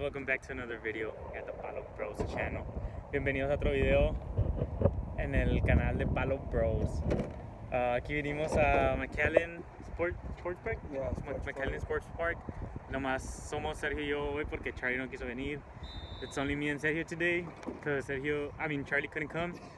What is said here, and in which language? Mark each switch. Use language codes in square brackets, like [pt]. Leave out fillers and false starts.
[en] Welcome back to another video at the Palo Bros channel. [es] Bienvenidos a otro video en el canal de Palo Bros. Aquí venimos a Mcallen Sports Park. Mcallen Sports Park. Nomás somos Sergio y yo hoy porque Charlie no quiso venir. [en] It's only me and Sergio today because Charlie couldn't come.